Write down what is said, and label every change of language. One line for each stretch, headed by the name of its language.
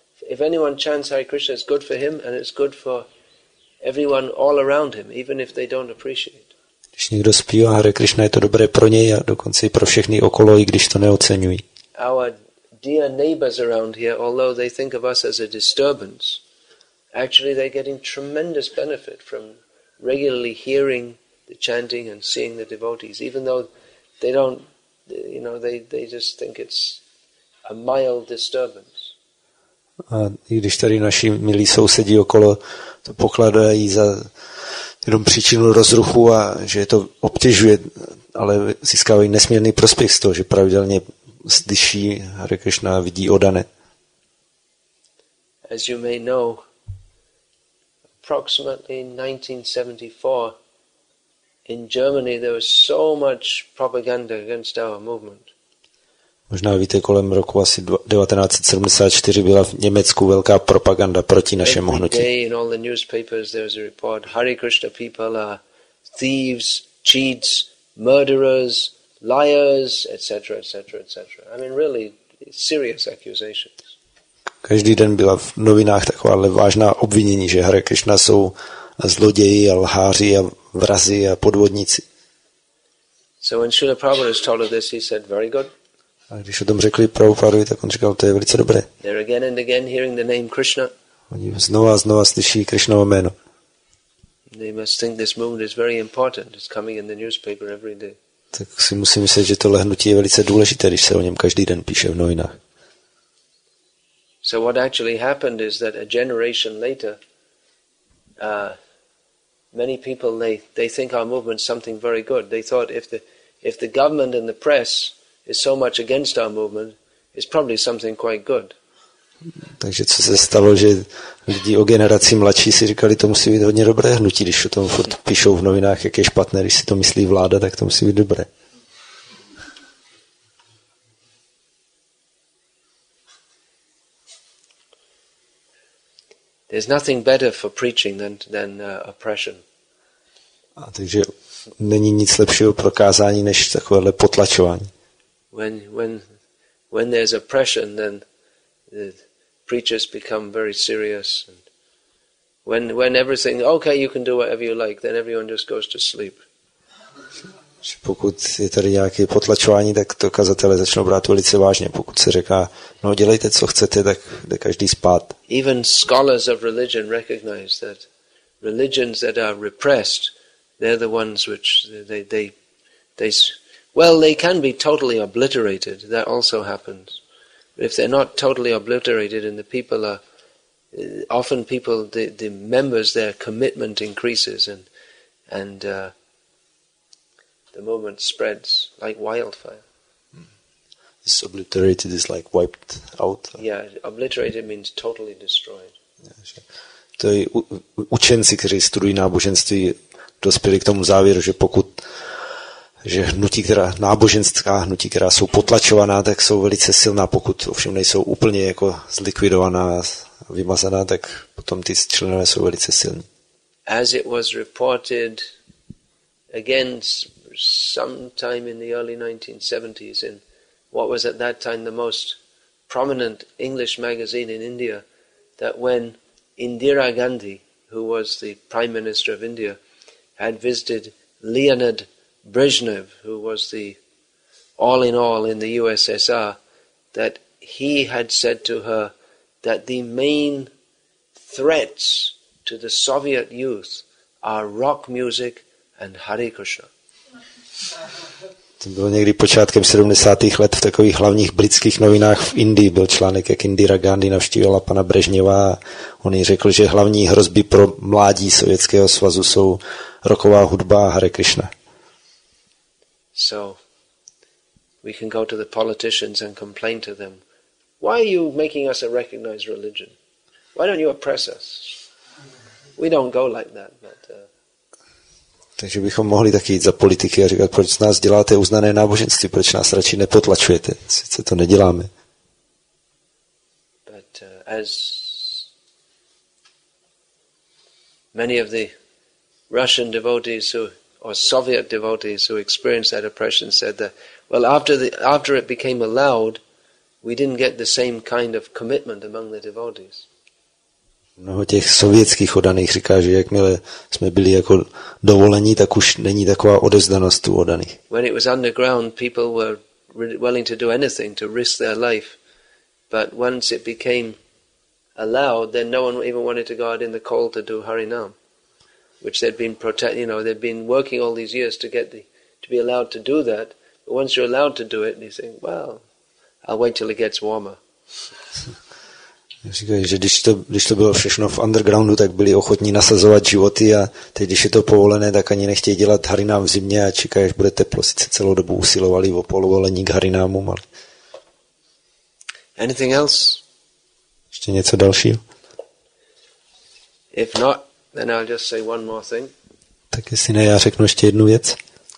English: If anyone chants Hare Krishna, it's good for him and it's good for everyone all around him, even if they don't appreciate.
Czech: Když někdo zpívá Hare Krishna, je to dobré pro něj a dokonce i pro všechny okolo, i když to neocenují.
English: Our dear neighbors around here, although they think of us as a disturbance, actually they're getting tremendous benefit from regularly hearing the chanting and seeing the devotees, even though they don't, you know, they just think it's a mild disturbance.
Czech: A i když tady naši milí sousedí okolo to pokladají za jenom příčinu rozruchu a že je to obtěžuje, ale získávají nesmírný prospěch z toho, že pravidelně slyší Hare Krishna, vidí odane.
English: As you may know, approximately 1974, in Germany there was so much propaganda against our movement.
Czech: Možná víte, kolem roku asi 1974 byla v Německu velká propaganda proti našemu hnutí.
English: Every day in all the newspapers there was a report, Hare Krishna people are thieves, cheats, murderers, liars, etc., etc., etc. I mean, really serious accusations.
Czech: Každý den byla v novinách taková vážná obvinění, že Hare Krishna jsou zloději a lháři a vrazi a podvodníci.
English: So when Srila Prabhupada was told of this, he said, very good.
Czech: A když o tom řekli Prabhupadovi, tak on říkal, to je velice dobré.
English: They're again and again hearing the name Krishna.
Czech: Oni znova a znova slyší Krishnovo jméno.
English: They must think this movement is very important. It's coming in the newspaper every day.
Czech: Tak si musím myslet, že tohle hnutí je velice důležité, když se o něm každý den píše v novinách.
English: So what actually happened is that a generation later, many people they think our movement is something very good. They thought if the government and the press is so much against our movement, it's probably something quite good.
Czech: Takže co se stalo, že lidi o generaci mladší si říkali, to musí být hodně dobré hnutí, když o tom furt píšou v novinách, jak je špatné, když si to myslí vláda, tak to musí být dobré.
English: There's nothing better for preaching than oppression.
Czech: A takže není nic lepšího pro kázání než takovéhle potlačování.
English: When there's oppression, then the preachers become very serious. And when everything okay, you can do whatever you like, then everyone just goes to sleep.
Czech: Pokud je tady nějaké potlačování, tak to kazatelé začnou brát velice vážně. Pokud se říká, no dělejte, co chcete, tak jde každý spát.
English: Even scholars of religion recognize that religions that are repressed, they're the ones which they well, they can be totally obliterated. That also happens. But if they're not totally obliterated and the people are, often people, the members, their commitment increases and the movement spreads like wildfire. This obliterated is like wiped out. Yeah, obliterated means totally destroyed.
Czech: To je učenci, kteří studují náboženství, dospěli k tomu závěru, že pokud že hnutí, která náboženská hnutí, která jsou potlačovaná, tak jsou velice silná, pokud ovšem nejsou úplně jako zlikvidovaná, vymazaná, tak potom ty členové jsou velice silní.
English: As it was reported again sometime in the early 1970s in what was at that time the most prominent English magazine in India, that when Indira Gandhi, who was the Prime Minister of India, had visited Leonid Brezhnev, who was the all-in-all in the USSR, that he had said to her that the main threats to the Soviet youth are rock music and Hare Krishna.
Czech: To bylo někdy počátkem 70. let v takových hlavních britských novinách v Indii. Byl článek, jak Indira Gandhi navštívila pana Brežněva a on jí řekl, že hlavní hrozby pro mládí Sovětského svazu jsou rocková hudba a Hare Krishna.
English: So we can go to the politicians and complain to them. Why are you making us a recognized religion? Why don't you oppress us? We don't go like that, but
Czech: takže bychom mohli taky jít za politiky a říkat, proč nás děláte uznané náboženství, proč nás radši nepotlačujete, sice to neděláme.
English: But as many of the Russian devotees who or Soviet devotees who experienced that oppression said that, well, after it became allowed, we didn't get the same kind of commitment among the devotees.
Czech: Mnoho těch sovětských odaných říká, že jakmile jsme byli jako dovolení, tak už není taková odezdanost u odaných.
English: When it was underground, people were willing to do anything to risk their life, but once it became allowed, then no one even wanted to go out in the cold to do Harinam, which they'd been protecting, you know, they'd been working all these years to get the to be allowed to do that. But once you're allowed to do it, you think, well, I'll wait till it gets warmer.
Czech: Říkají, že když to bylo všechno v undergroundu, tak byli ochotní nasazovat životy a teď, když je to povolené, tak ani nechtějí dělat harinám v zimě a čekají, až bude teplo. Sice celou dobu usilovali o povolení k harinámům, ale...
English: Anything else?
Czech: Ještě něco dalšího?
English: If not, then I'll just say one more thing.
Czech: Tak jestli ne, já řeknu ještě jednu věc.